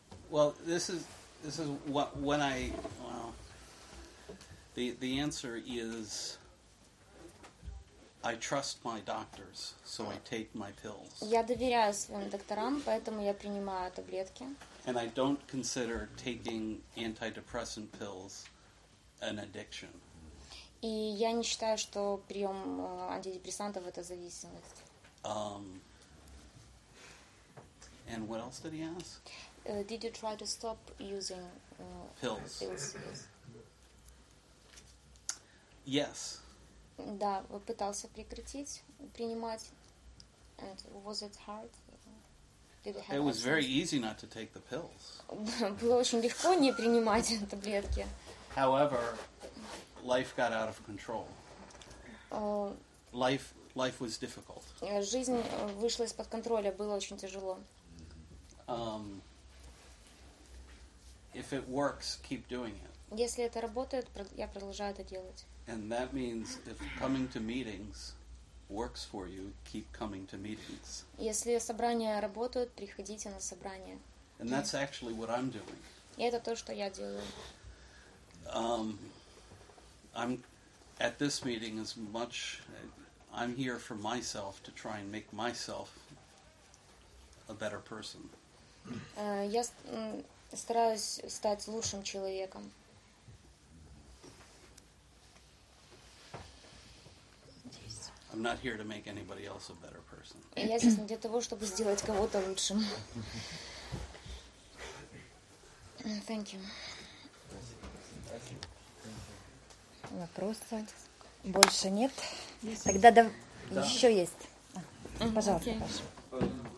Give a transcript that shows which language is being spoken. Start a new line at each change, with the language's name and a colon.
English: Well, this is what when I the answer is I trust my doctors, so I take my pills.
Russian: Я доверяю своим докторам, поэтому я принимаю таблетки.
English: And I don't consider taking antidepressant pills an addiction.
Russian: И я не считаю, что прием антидепрессантов это зависимость.
English: And what else did he ask? Did you try to stop using pills? Yes. Yes.
Russian: Да, пытался прекратить принимать.
English: And was it hard? It was very easy not to take the pills.
Russian: Было очень легко не принимать таблетки.
English: However, life got out of control. Life was difficult.
Russian: Жизнь вышла из-под контроля, было очень тяжело.
English: If it works, keep doing it.
Russian: Если это работает, я продолжаю это делать.
English: And that means if coming to meetings works for you, keep coming to meetings.
Russian: Если собрания работают, приходите на собрания.
English: And that's actually what I'm doing.
Russian: И это то, что я делаю.
English: I'm at this meeting as much. I'm here for myself to try and make myself a better person.
Russian: Я стараюсь стать лучшим человеком.
English: I'm not here to make anybody else a better person.
Russian: Я здесь не для того, чтобы сделать кого-то лучшим.
English: Thank you.
Russian: Вопросов больше нет. Тогда еще есть. Пожалуйста, Паша.